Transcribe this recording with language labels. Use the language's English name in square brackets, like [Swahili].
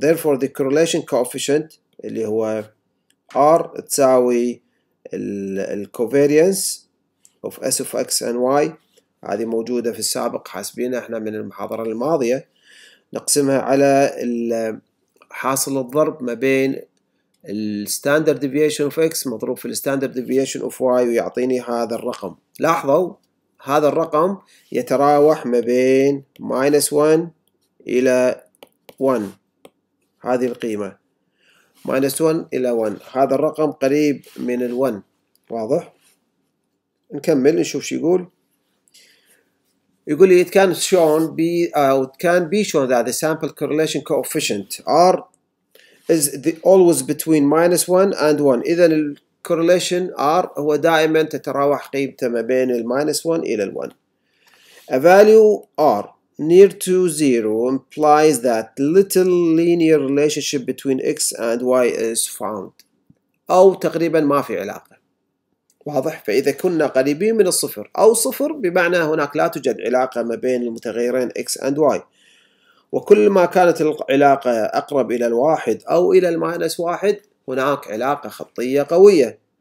[English] Therefore the correlation coefficient [Arabic] اللي هو R تساوي الـ [English] covariance of S of X and Y. [Arabic] هذه موجودة في السابق حاسبين احنا من المحاضرة الماضية نقسمها على حاصل الضرب ما بين الـ standard deviation of X مضروب في الـ standard deviation of Y ويعطيني هذا الرقم. لاحظوا هذا الرقم يتراوح ما بين minus 1 إلى 1. هذه القيمة minus 1 إلى 1. هذا الرقم قريب من ال 1. واضح؟ نكمل نشوف شو يقول. يقول [English] it can shown be it can be shown that the sample correlation coefficient R is always between minus 1 and 1. [Arabic] إذن ال correlation R هو دائما تتراوح قيمته ما بين ال minus 1 إلى ال 1. [English] A value R near to zero implies that little linear relationship between x and y is found. [Arabic] أو تقريبا ما في علاقة. واضح؟ فإذا كنا قريبين من الصفر أو صفر بمعنى هناك لا توجد علاقة ما بين المتغيرين x and y. وكل ما كانت العلاقة أقرب إلى الواحد أو إلى المينس واحد هناك علاقة خطية قوية.